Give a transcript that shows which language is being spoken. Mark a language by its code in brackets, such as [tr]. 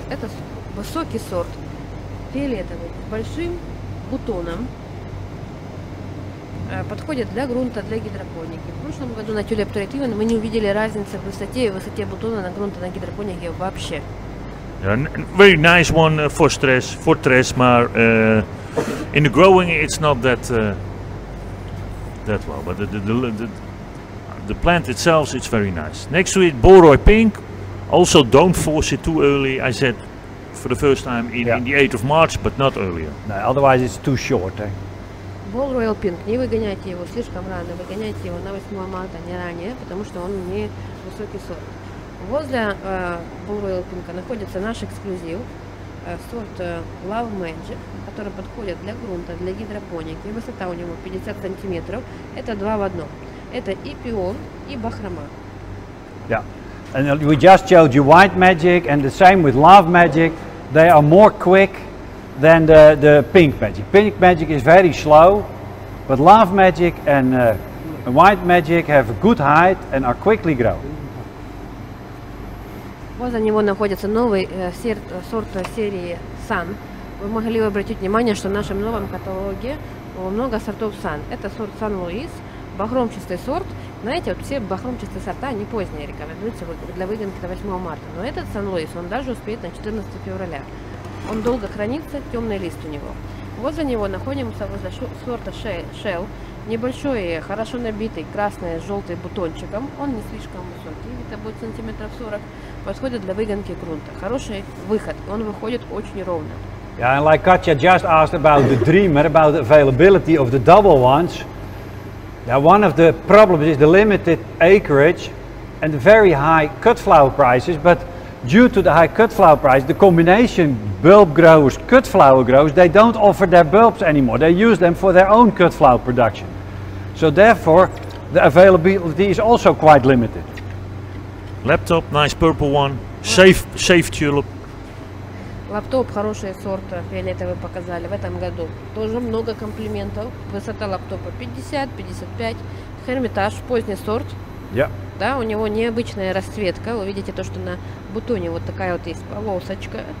[ru] Это высокий сорт, фиолетовый, с большим бутоном. Подходит для грунта, для гидропоники. В прошлом году на Tulip Trade Event мы не увидели разницы в высоте и высоте бутона на грунта, на гидропонике вообще. [en] Very nice one for stress, for Tresma. In the growing, it's not that that well, but the plant itself, it's very nice. Next to it, Boroi Pink. Also, don't force it too early. I said for the first time in the 8th of March, but not earlier. No, otherwise, it's too short. Eh? Boroi Pink. [ru] Не выгоняйте его слишком рано. Выгоняйте его на 8 марта, не ранее, потому что он не высокий сорт. Возле Bull Royal Pink находится наш эксклюзив, сорт Love Magic, который подходит для грунта, для гидропоники. Высота у него 50 сантиметров, это два в одном. Это и пион, и бахрома. [en] Yeah. And we just showed you white magic, and the same with love magic. They are more quick than the pink magic. Pink magic is very slow, but love magic and white magic have a good height and are quickly grow. [ru] Возле него находится новый сорт серии Sun. Вы могли обратить внимание, что в нашем новом каталоге много сортов Sun. Это сорт Sun Louis, бахромчатый сорт. Знаете, вот все бахромчатые сорта, они поздние рекомендуются для выгонки до 8 марта. Но этот Sun Louis, он даже успеет на 14 февраля. Он долго хранится, темный лист у него. Возле него находимся возле сорта Shell. Небольшой, хорошо набитый, красный с желтым бутончиком. Он не слишком высокий, где-то будет сантиметров 40. Подходит для выгонки грунта. Хороший выход, он выходит очень ровно. [en] Yeah, and like Katja just asked about the Dreamer, about the availability of the double ones. Now, one of the problems is the limited acreage and the very high cut flower prices. But due to the high cut flower price, the combination bulb growers, cut flower growers, they don't offer their bulbs anymore. They use them for their own cut flower production. So therefore, the availability is also quite limited. Laptop, nice purple one. Safe tulip. [ru] Лаптоп, хороший сорт, фиолетовый показали в этом году. Тоже много комплиментов. Высота лаптопа 50-55. Хермитаж, поздний сорт. [en] Yeah. [ru] Да, у него необычная расцветка. Вы видите то, что на бутоне вот такая вот есть полосочка.